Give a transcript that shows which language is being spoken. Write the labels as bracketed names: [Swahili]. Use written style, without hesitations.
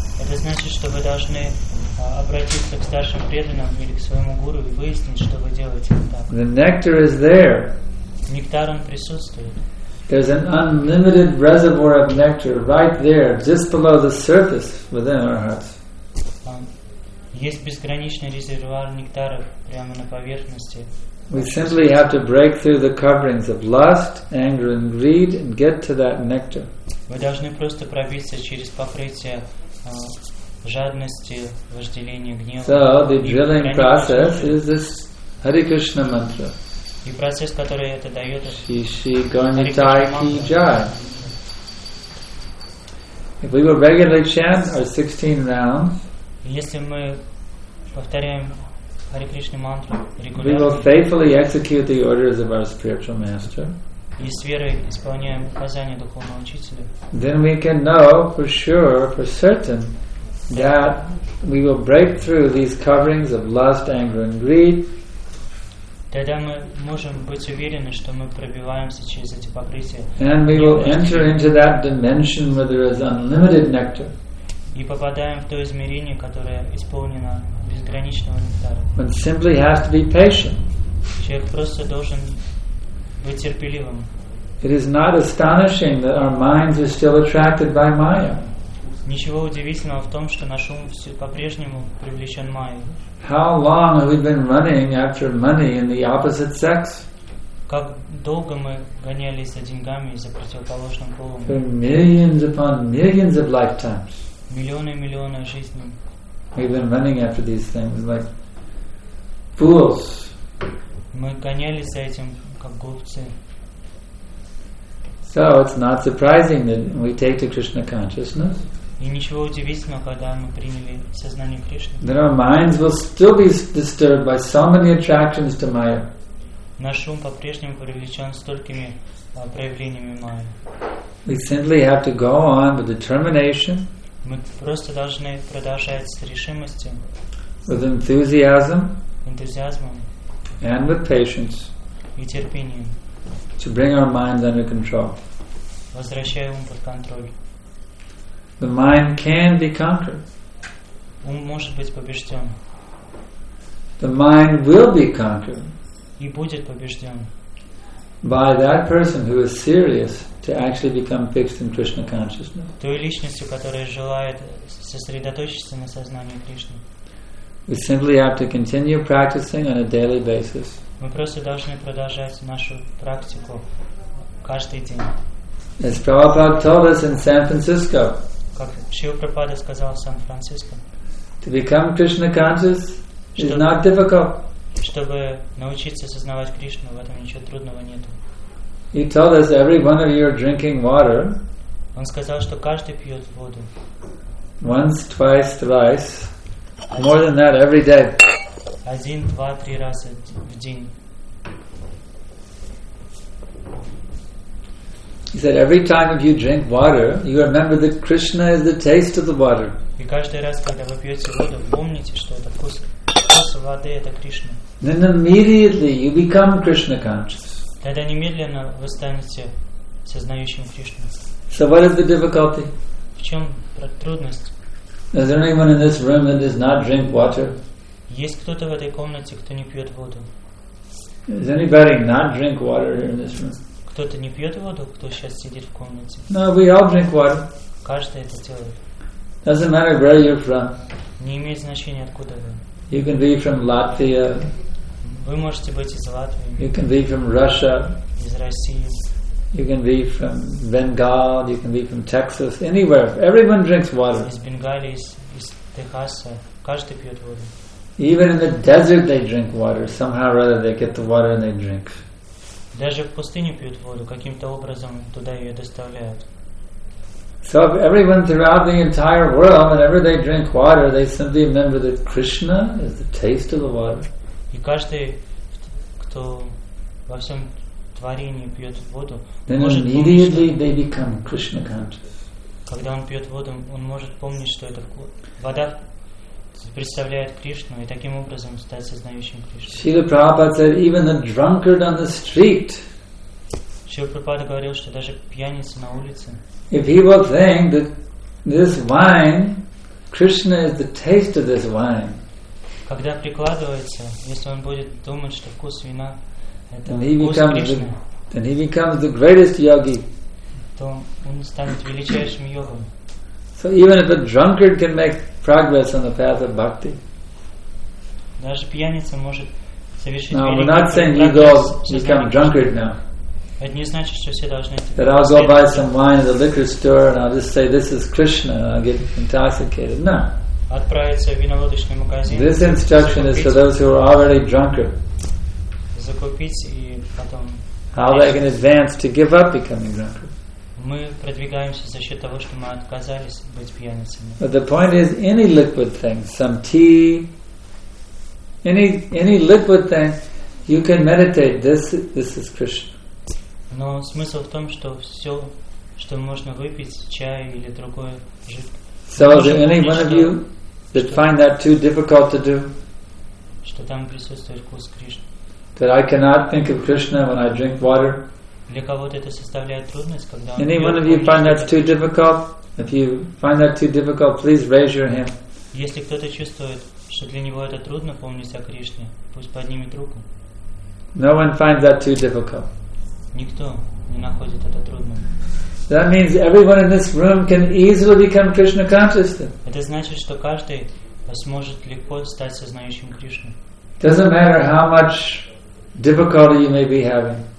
[Russian] Это значит, что вы должны обратиться к старшим преданным или к своему гуру и выяснить, что вы делаете не так. [English] The nectar is there. [Russian] Нектар, он присутствует. [English] There's an unlimited reservoir of nectar right there, just below the surface within our hearts. [Russian] Есть безграничный резервуар нектара прямо на поверхности. [English] We simply have to break through the coverings of lust, anger, and greed and get to that nectar. [Russian] Вы должны просто пробиться через покрытие жадности, вожделения, гнева. [English] So the drilling process is this Hare Krishna mantra. [Russian] И процесс, который это дает, Shishi Garnitai Ki Jai. [English] If we will regularly chant our 16 rounds, [Russian] если мы повторяем Hare Krishna мантру регулярно, [English] we will faithfully execute the orders of our spiritual master, [Russian] и с верой исполняем указания духовного учителя, [English] then we can know for sure, for certain, that we will break through these coverings of lust, anger, and greed. [Russian] Тогда мы можем быть уверены, что мы пробиваемся через эти покрытия. [English] And we will enter into that dimension where there is unlimited nectar. [Russian] И попадаем в то измерение, которое исполнено безграничного нектара. [English] But simply has to be patient. [Russian] Человек просто должен быть терпеливым. [English] It is not astonishing that our minds are still attracted by Maya. [Russian] Ничего удивительного в том, что наш ум по-прежнему привлечен Майей. [English] How long have we been running after money in the opposite sex? [Russian] Как долго мы гонялись за деньгами за противоположным полом? [English] For millions upon millions of lifetimes. [Russian] Миллионы и миллионы жизней. [English] We've been running after these things like fools. [Russian] Мы гонялись за этим как глупцы. [English] So it's not surprising that we take to Krishna consciousness. [Russian] И ничего удивительного, когда мы приняли сознание Кришны. [English] Then our minds will still be disturbed by so many attractions to Maya. [Russian] Наш ум по-прежнему привлечен столькими проявлениями Майи. [English] We simply have to go on with determination. [Russian] Мы просто должны продолжать с решимостью. [English] With enthusiasm. [Russian] Энтузиазмом. [English] And with patience. [Russian] И терпением. [English] To bring our minds under control. [Russian] Возвращая ум под контроль. [English] The mind can be conquered. [Russian] Ум может быть побежден. [English] The mind will be conquered. [Russian] И будет побежден. [English] By that person who is serious to actually become fixed in Krishna consciousness. [Russian] Той личностью, которая желает сосредоточиться на сознании Кришны. [English] We simply have to continue practicing on a daily basis. [Russian] Мы просто должны продолжать нашу практику каждый день. [English] As Prabhupada told us in San Francisco. [Russian] Как Шрила Прабхупада сказал в Сан-Франциско. [English] To become Krishna conscious is not difficult. [Russian] Чтобы научиться осознавать Кришну, в этом ничего трудного нет. [English] He told us every one of you are drinking water. [Russian] Он сказал, что каждый пьет воду. [English] Once, twice, thrice. More than that, every day. [Russian] Один, два, три раза в день. [English] He said, every time if you drink water, you remember that Krishna is the taste of the water. [Russian] И каждый раз, когда вы пьете воду, помните, что это вкус. Вкус воды – это Кришна. [English] Then immediately you become Krishna conscious. [Russian] Тогда немедленно вы станете сознающим Кришну. [English] So what is the difficulty? [Russian] В чем трудность? [English] Is there anyone in this room that does not drink water? [Russian] Есть кто-то в этой комнате, кто не пьет воду? [English] Does anybody not drink water in this room? [Russian] Кто-то не пьет воду, кто сейчас сидит в комнате? [English] No, we all drink water. [Russian] Каждый это делает. [English] Doesn't matter where you're from. [Russian] Не имеет значения, откуда вы. [English] You can be from Latvia. [Russian] Вы можете быть из Латвии. [English] You can be from Russia. [Russian] Из России. [English] You can be from Bengal, you can be from Texas, anywhere. Everyone drinks water. [Russian] Из Бенгалии, из Техаса. Каждый пьет воду. [English] Even in the desert they drink water. Somehow or other they get the water and they drink. [Russian] Даже в пустыне пьют воду, каким-то образом туда ее доставляют. [English] So if everyone throughout the entire world, whenever they drink water, they simply remember that Krishna is the taste of the water. [Russian] И каждый, кто во всем творении пьет воду, [English] then immediately they become Krishna conscious. [Russian] Когда он пьет воду, он может помнить, что это вода представляет Кришну, и таким образом стать сознающим Кришну. [English] Шрила Прабхупада said, even a drunkard on the street. [Russian] Шрила Прабхупада говорил, что даже пьяница на улице. [English] If he will think that this wine, Krishna is the taste of this wine. [Russian] Когда прикладывается, если он будет думать, что вкус вина. [English] Then he becomes the greatest yogi. [Russian] То он станет величайшим йогом. [English] So even if a drunkard can make progress on the path of bhakti. [Russian] Даже пьяница может совершить. [English] Now we're not saying you go become drunkard now. [Russian] Это не значит, что все должны. [English] That I'll go buy some wine at the liquor store and I'll just say this is Krishna and I'll get intoxicated. No. [Russian] Отправиться в винолодочный магазин. [English] This instruction is for those who are already drunkard. [Russian] Закупить и потом. [English] How they can advance to give up becoming drunk? [Russian] Мы продвигаемся за счет того, что мы отказались быть пьяницами. [English] But the point is, any liquid thing, some tea, any liquid thing, you can meditate. This is Krishna. [Russian] Но смысл в том, что все, что можно выпить, чай или другое жидкое. [English] So is any one of you that find that too difficult to do? [Russian] Что там присутствует вкус Кришны? [English] That I cannot think of Krishna when I drink water. [Russian] Для кого-то это составляет трудность, когда он. [English] Any one of you find that too difficult? If you find that too difficult, please raise your hand. [Russian] Если кто-то чувствует, что для него это трудно помнить о Кришне, пусть поднимет руку. [English] No one finds that too difficult. [Russian] Никто не находит это трудным. [English] That means everyone in this room can easily become Krishna conscious. [Russian] Это значит, что каждый сможет легко стать сознающим Кришну. [English] Doesn't matter how much difficulty you may be having.